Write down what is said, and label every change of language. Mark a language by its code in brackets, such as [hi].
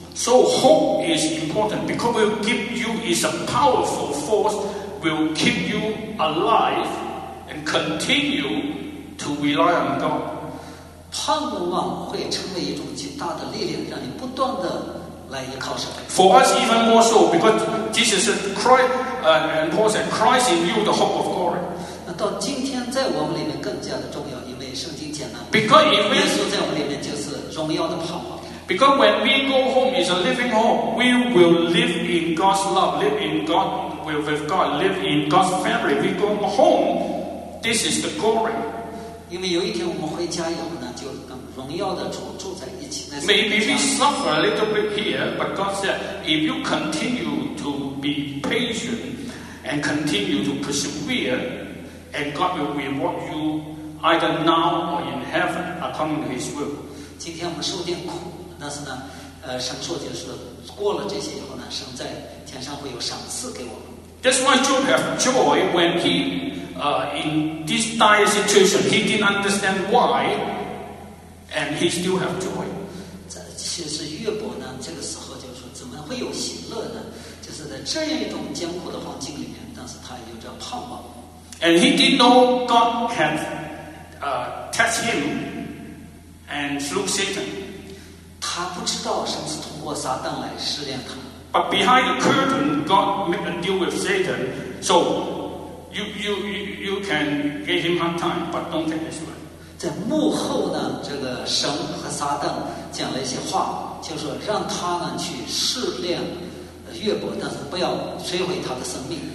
[en] So hope is important because will give you is a powerful force will keep you alive and continue to rely on God. [zh] 盼望会成为一种极大的力量，让你不断的来依靠神。 [en] For us even more so because Jesus said Christ. And Paul said, "Christ in you, the hope of glory." [zh] 那到今天，在我们里面更加的重要，因为圣经讲了。 [en] Because if we, [zh] 耶稣在我们里面就是荣耀的盼望。 [en] Because when we go home, it's a living home. We will live in God's love, live in God, with God, live in God's family. We go home. This is the glory. [zh] 因为有一天我们回家以后呢，就跟荣耀的主住在一起。 [en] Maybe we suffer a little bit here, but God said, "If you continue to." Be patient and continue to persevere, and God will reward you either now or in heaven according to His will. [zh] 今天我们受点苦，但是呢，神说就是过了这些以后呢，神在天上会有赏赐给我们。 [en] That's why Job have joy when he in this dire situation. He didn't understand why, and he still have joy. [zh] 其实约伯呢，这个时候就说，怎么会有喜乐呢？在这样一种艰苦的环境里面，但是他有着盼望。 [en] And he didn't know God had touched him and through Satan. [zh] 他不知道神是通过撒旦来试炼他。 [en] But behind the curtain, God made a deal with Satan. So you can give him hard time, but don't take his word. [zh] 在幕后呢，这个神和撒旦讲了一些话，就是让他呢去试炼。越过，但是不要摧毁他的生命。